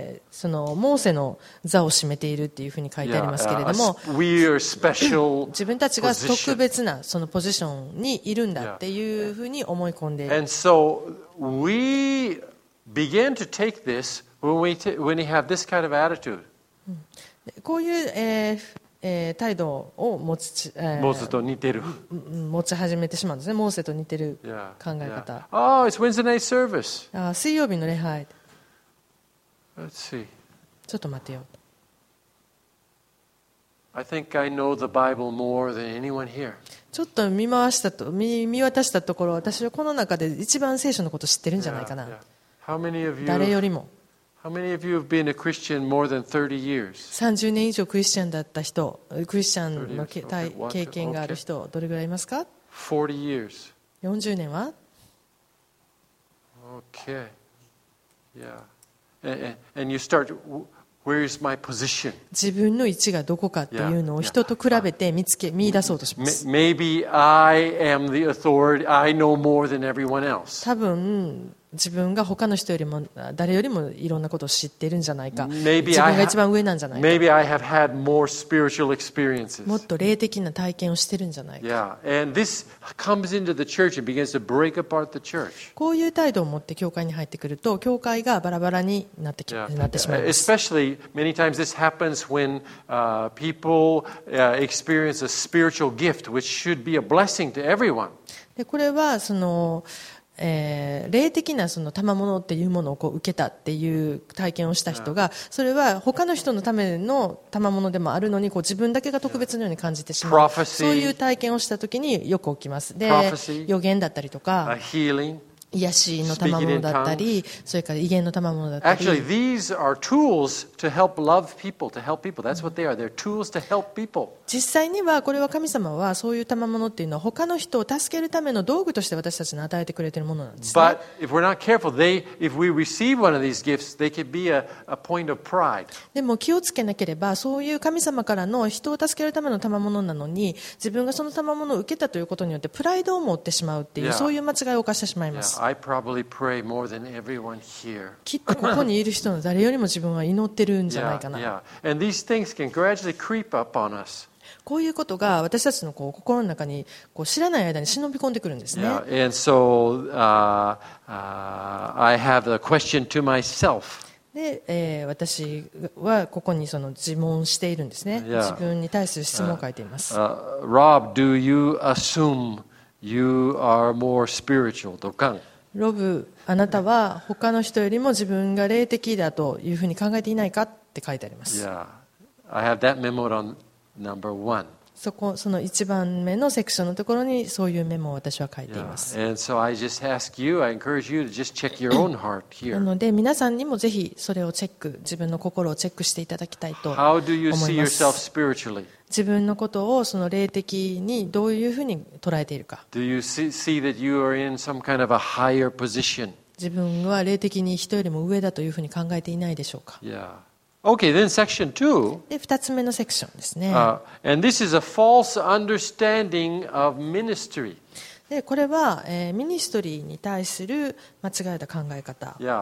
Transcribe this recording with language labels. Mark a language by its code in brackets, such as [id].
[ja] そのモーセの座を占めているっていうふうに書いてありますけれども、 [en] yeah, we are special [ja] 自分たちが特別なそのポジションにいるんだっていうふうに思い込んでいる。 [en] And so we begin to take this when we have this kind of attitude. [ja] こういう、態度を持つと似てる。持ち始めてしまうんですね。モーセと似てる考え方。 [en] Yeah, yeah. Oh, it's Wednesday night service. [ja] 水曜日の礼拝。 [en] Let's see. [ja] ちょっと待ってよ。 [en] I think I know the Bible more than anyone here. [ja] ちょっと見渡したところ、私はこの中で一番聖書のことを知ってるんじゃないかな。誰よりも。 [en] How many of you have been a Christian more than 30 years? [ja] 30年以上クリスチャンだった人、クリスチャンの経験がある人、どれぐらいいますか [en] ？40 years. [ja] 40年は [en] ？Okay. Yeah.And you start Where is my position? [ja] 自分の位置がどこかっていうのを人と比べて見つけ、見出そうとします。 [en] Maybe I am the authority. I know more than everyone else. [ja] 多分自分が他の人よりも誰よりもいろんなことを知ってるんじゃないか。 [en] Maybe、 [ja] 自分が一番上なんじゃないか。 [en] Maybe I have had more spiritual experiences. [ja] もっと霊的な体験をしてるんじゃないか。 [en] Yeah. And this comes into the church and begins to break apart the church. [ja] こういう態度を持って教会に入ってくると、教会がバラバラになって、なってしまいます。 [en] Especially many times this happens when people experience a spiritual gift, which should be a blessing to everyone. [ja] で、これはその霊的なその賜物っていうものをこう受けたっていう体験をした人がそれは他の人のための賜物でもあるのにこう自分だけが特別のように感じてしまうそういう体験をした時によく起きますで予言だったりとか癒しの賜物だったりそれから異言の賜物だったり [en] Actually, these are tools to help love people, to help people. That's what they are. They're tools to help people. [ja] 実際にはこれは神様はそういう賜物っていうのは他の人を助けるための道具として私たちに与えてくれているものなんですね。 [en] But if we're not careful, if we receive one of these gifts, they could be a point of pride. [ja] でも気をつけなければそういう神様からの人を助けるための賜物なのに自分がその賜物を受けたということによってプライドを持ってしまうっていうそういう間違いを犯してしまいます。 [en] I probably pray more than everyone here. [ja] きっとここにいる人の誰よりも自分は祈ってるんじゃないかな。 [en] And these things can gradually creep up on us. [ja] こういうことが私たちのこう心の中にこう知らない間に忍び込んでくるんですね。 [en] Yeah. And so, I have a question to myself. [ja] で、私はここにその自問しているんですね。 [en] Yeah. [ja] 自分に対する質問を書いています。 [en] Rob, do you assume? You are more spiritual, ドカン。 [ja] ロブ、あなたは他の人よりも自分が霊的だというふうに考えていないかって書いてあります。 [en] Yeah, I have that memo on number one. [ja] そこその一番目のセクションのところにそういうメモを私は書いています。 [en] Yeah. And so I just ask you, I encourage you to just check your own heart here. [ja] なので皆さんにもぜひそれをチェック、自分の心をチェックしていただきたいと思います。 [en] How do you see yourself spiritually? [ja] 自分のことをその霊的にどういうふうに捉えているか。 [en] Do you see that you are in some kind of a higher position? [ja] 自分は霊的に人よりも上だというふうに考えていないでしょうか。 [en] Yeah. Okay, then section two. [ja] で、二つ目のセクションですね。 [en] And this is a false understanding of ministry. [ja] で、これは、ミニストリーに対する間違えた考え方。